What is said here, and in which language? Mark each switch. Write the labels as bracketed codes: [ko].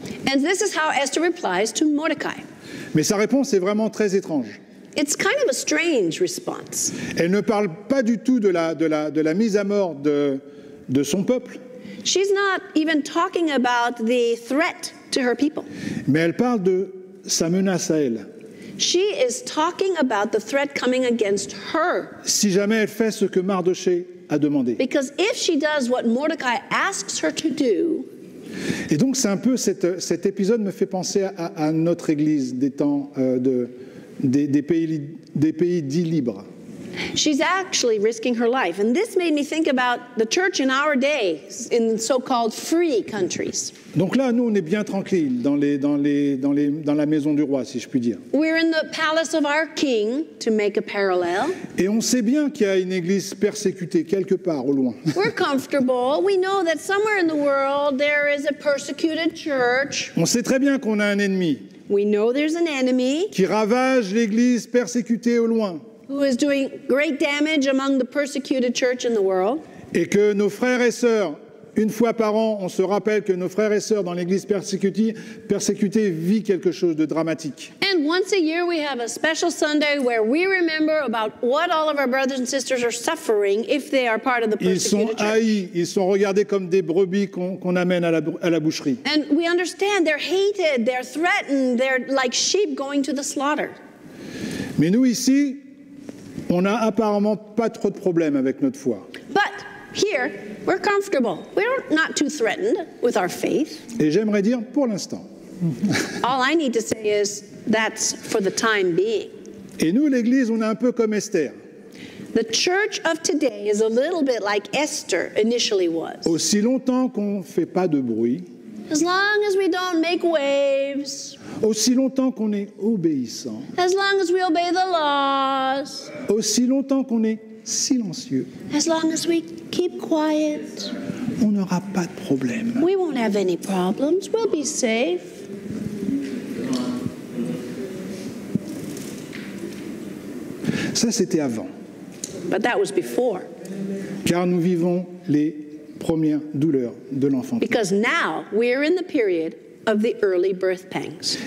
[en] And this is how Esther replies to Mordecai. [fr] Mais sa réponse est vraiment très étrange. [en] It's kind of a strange response. [fr] Elle ne parle pas du tout de la mise à mort de son peuple. [en] She's not even talking about the threat to her people. [fr] Mais elle parle de sa menace à elle. [en] She is talking about the threat coming against her. [fr] Si jamais elle fait ce que Mardoché a demandé. [en] Because if she does what Mordecai asks her to do. [fr] Et donc c'est un peu cet épisode me fait penser à notre église des temps des pays dits libres. [en] She's actually risking her life, and this made me think about the church in our day in so-called free countries. [fr] Donc là, nous, on est bien tranquille dans la maison du roi, si je puis dire. [en] We're in the palace of our king, to make a parallel. [fr] Et on sait bien qu'il y a une église persécutée quelque part au loin. [en] We're comfortable. We know that somewhere in the world there is a persecuted church. [fr] On sait très bien qu'on a un ennemi. [en] We know there's an enemy. [fr] Qui ravage l'église persécutée au loin. [en] Who is doing great damage among the persecuted church in the world. [fr] Et que nos frères et sœurs, une fois par an, on se rappelle que nos frères et sœurs dans l'église persécutée vit quelque chose de dramatique. [en] And once a year we have a special Sunday where we remember about what all of our brothers and sisters are suffering if they are part of the persecuted church. [fr] Ils sont haïs, ils sont regardés comme des brebis qu'on amène à la boucherie. [en] And we understand they're hated, they're threatened, they're like sheep going to the slaughter. [fr] Mais nous ici, on n'a apparemment pas trop de problèmes avec notre foi. [en] But here, we're comfortable. We're not too threatened with our faith. [fr] Et j'aimerais dire, pour l'instant. [en] All I need to say is, that's for the time being. [fr] Et nous, l'Église, on est un peu comme Esther. [en] The church of today is a little bit like Esther initially was. [fr] Aussi longtemps qu'on ne fait pas de bruit. [en] As long as we don't make waves. [fr] Aussi longtemps qu'on est obéissant. [en] As long as we obey the laws. [fr] Aussi longtemps qu'on est silencieux. [en] As long as we keep quiet. [fr] On n'aura pas de problème. [en] We won't have any problems. We'll be safe. [fr] Ça, c'était avant. [en] But that was before. [fr] Car nous vivons les première douleur de l'enfant. [en] Because now we're in the period of the early birth pangs.